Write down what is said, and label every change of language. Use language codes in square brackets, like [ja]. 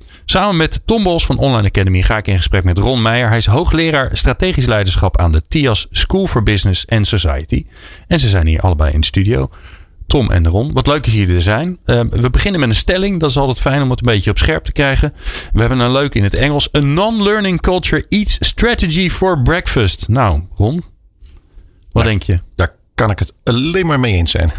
[nl] Samen met Tom Bos van Online Academy ga ik in gesprek met Ron Meijer. Hij is hoogleraar strategisch leiderschap aan de TIAS School for Business and Society. En ze zijn hier allebei in de studio. Tom en Ron, wat leuk dat jullie er zijn. We beginnen met een stelling. Dat is altijd fijn om het een beetje op scherp te krijgen. We hebben een leuke in het Engels. [en] A non-learning culture eats strategy for breakfast. [nl] Nou, Ron, wat denk je? Daar kan ik het alleen maar mee eens zijn.